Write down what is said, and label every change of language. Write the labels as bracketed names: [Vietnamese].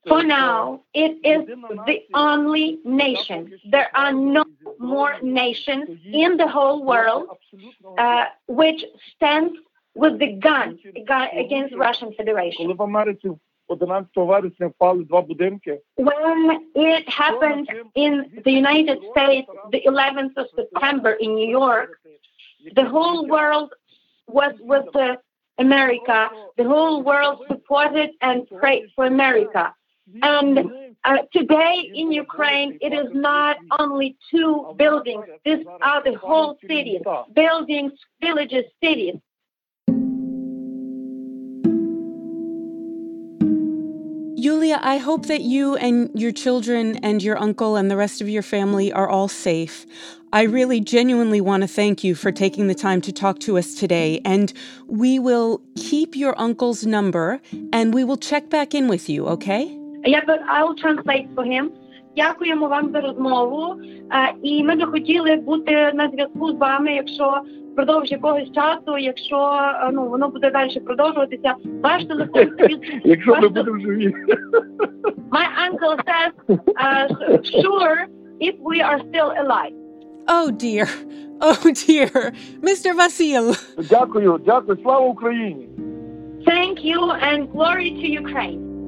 [English] For now, it is the only nation. There are no more nations in the whole world which stands with the gun against Russian Federation. [Ukrainian] Коли в Америці 11 вересня впали два будинки. [English] When it happened in the United States, the 11th of September in New York, the whole world was with America. The whole world supported and prayed for America. And today in Ukraine, it is not only two buildings. These are the whole cities, buildings, villages, cities. Yulia, I hope that you and your children and your uncle and the rest of your family are all safe. I really genuinely want to thank you for taking the time to talk to us today. And we will keep your uncle's number and we will check back in with you, okay? Yeah, but I'll translate for him. [Ukrainian] Дякуємо вам за розмову. І ми би хотіли бути на зв'язку з вами, якщо впродовж якогось часу, якщо ну воно буде далі продовжуватися. Ваш телефон. Якщо ми будемо живі. [English] My uncle says, sure, if we are still alive. Oh, dear. Oh, dear. Mr. Vasil. [Ukrainian] Дякую. Дякую. Слава Україні. [English] Thank you and glory to Ukraine. Thank you.